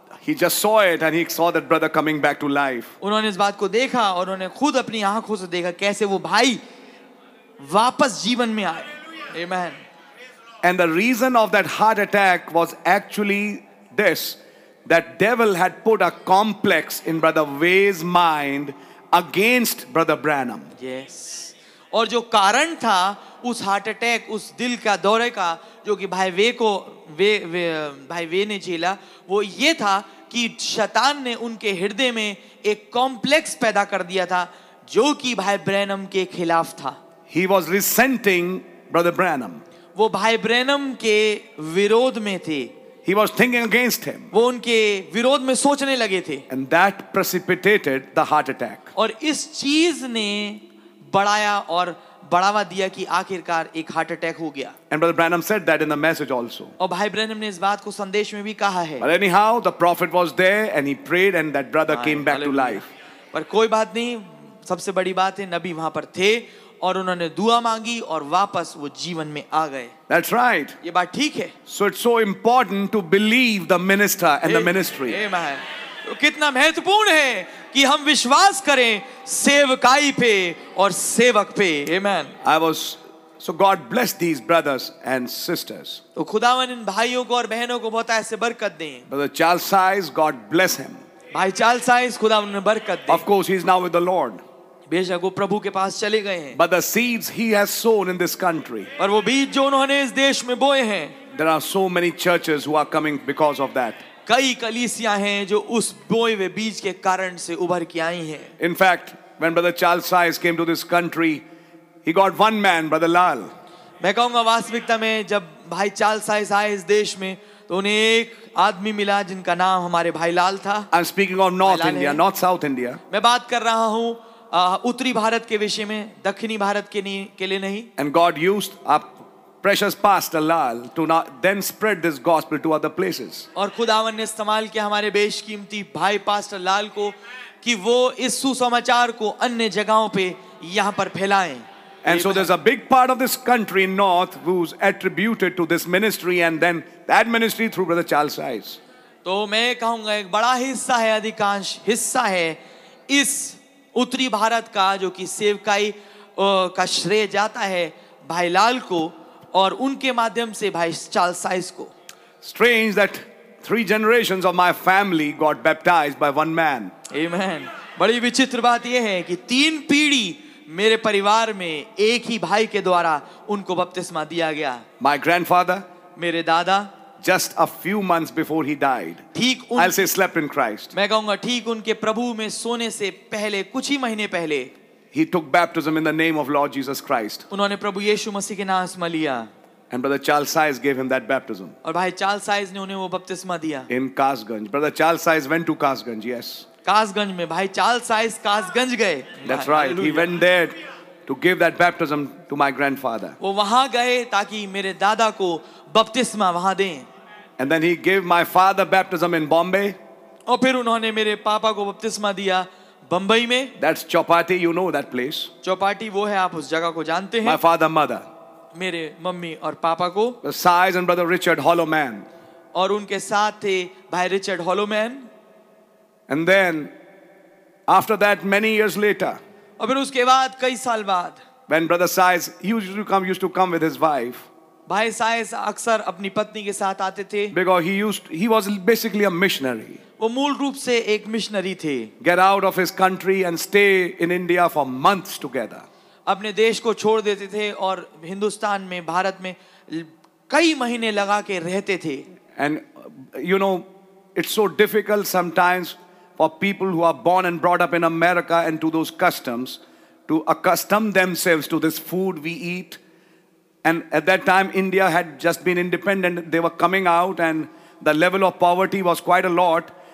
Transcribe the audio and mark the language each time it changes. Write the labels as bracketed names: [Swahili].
[English] He just saw it and he saw that brother coming back to life. [Hindi] उन्होंने इस बात को देखा और उन्होंने खुद अपनी आंखों से देखा कैसे वो भाई वापस जीवन में आए. [English] Amen. And the reason of that heart attack was actually this, that devil had put a complex in Brother Way's mind against Brother Branham. Yes. [Hindi] और जो कारण था उस हार्ट अटैक उस दिल का दौरे का जो कि भाई वे को भाई वे ने झेला वो ये था कि शैतान ने उनके हृदय में एक कॉम्प्लेक्स पैदा कर दिया था जो कि भाई ब्रैनम के खिलाफ था. [English] He was resenting Brother Branham. [Hindi] वो भाई ब्रैनम के विरोध में थे. [English] He was thinking against him. [Hindi] वो उनके विरोध में सोचने लगे थे. [English] And that precipitated the heart attack. [Hindi] और इस चीज ने बढ़ाया और बढ़ावा दिया कि आखिरकार एक हार्ट अटैक हो गया. [English] And Brother Branham said that in the message also. [Hindi] और भाई ब्रैनम ने इस बात को संदेश में भी कहा है. [English] But anyhow, the prophet was there and he prayed and that brother came back to life. [Hindi] पर कोई बात नहीं, सबसे बड़ी बात है नबी वहां पर थे और उन्होंने दुआ मांगी और वापस वो जीवन में आ गए. [English] That's right. [Hindi] ये बात ठीक है. [English] So it's so important to believe the minister and the ministry. Amen. [Hindi] तो कितना महत्वपूर्ण है कि हम विश्वास करें सेवकाई पे और सेवक पे. [English] Amen. So God bless these brothers and sisters. [Hindi] तो खुदावन इन भाइयों को और बहनों को बहुत ऐसे बरकत दें. [English] Brother Charles Size, God bless him. [Hindi] भाई चार्ल्स साइज खुदावन ने बरकत दें. [English] Of course, he's now with the Lord. [Hindi] बेशक वो प्रभु के पास चले गए हैं. [English] But the seeds he has sown in this country. [Hindi] और वो बीज जो उन्होंने इस देश में बोए हैं. [English] There are so many churches who are coming because of that. [Hindi] कई कलीसिया हैं जो उस बोए हुए बीज के कारण से उभर के आई हैं. [English] In fact, when Brother Charles Size came to this country, he got one man, Brother Lal. [Hindi] मैं कहूंगा वास्तविकता में जब भाई चार्ल्स साइज आए इस देश में तो उन्हें एक आदमी मिला जिनका नाम हमारे भाई लाल था. [English] I'm speaking of North India, not South India. [Hindi] मैं बात कर रहा हूँ उत्तरी भारत के विषय में, दक्षिणी भारत के लिए नहीं. [English] And God used our precious pastor Lal to now then spread this gospel to other places. [Hindi] और खुदावन ने इस्तेमाल किया हमारे बेशकीमती भाई पास्टर लाल को कि वो इस सुसमाचार को अन्य जगहों पे यहाँ पर फैलाएं. [English] And so there's a big part of this country north who's attributed to this ministry and then that ministry through Brother Charles Size. [Hindi] तो मैं कहूँगा एक बड़ा हिस्सा है, अधिकांश हिस्सा है इस उत्तरी भारत का जो कि सेवकाई का श्रेय जाता है भाई लाल को और उनके माध्यम से भाई चार्ल्स साइज को. [English] Strange that three generations of my family got baptized by one man. Amen. [Hindi] बड़ी विचित्र बात यह है कि तीन पीढ़ी मेरे परिवार में एक ही भाई के द्वारा उनको बपतिस्मा दिया गया. [English] My grandfather, [Hindi] मेरे दादा, [English] just a few months before he died. I'll say slept in Christ. [Hindi] मैं कहूंगा ठीक उनके प्रभु में सोने से पहले कुछ ही महीने पहले. [English] He took baptism in the name of Lord Jesus Christ. [Hindi] उन्होंने प्रभु यीशु मसीह के नाम से लिया. [English] And Brother Charles Size gave him that baptism. [Hindi] और भाई चार्ल्स साइज ने उन्हें वो बपतिस्मा दिया. [English] In Kasganj. Brother Charles Size went to Kasganj, yes. [Hindi] Kasganj में भाई चार्ल्स साइज कासगंज गए. [English] That's right. He went there to give that baptism to my grandfather. [Hindi] वो वहां गए ताकि मेरे दादा को बपतिस्मा वहां दें. [English] And then he gave my father baptism in Bombay. [Hindi] और फिर उन्होंने मेरे पापा को बपतिस्मा दिया बंबई में. [English] That's Chowpatty, you know that place. [Hindi] Chowpatty वो है, आप उस जगह को जानते हैं. [English] My father, mother. [Hindi] मेरे मम्मी और पापा को. [English] The size and brother Richard Holloman. [Hindi] और उनके साथ थे भाई Richard Holloman. [English] And then, after that, many years later. [Hindi] और फिर उसके बाद कई साल बाद. [English] When brother size used to come with his wife. [Hindi] भाई साइज अक्सर अपनी पत्नी के साथ आते थे. [English] Because he was basically a missionary. [Hindi] वो मूल रूप से एक मिशनरी थे. [English] Get out of his country and stay in India for months together. [Hindi] अपने देश को छोड़ देते थे और हिंदुस्तान में, भारत में कई महीने लगा के रहते थे. [English] And you know, it's so difficult sometimes for people who are born and brought up in America and to those customs to accustom themselves to this food we eat. And at that time, India had just been independent. They were coming out and the level of poverty was quite a lot.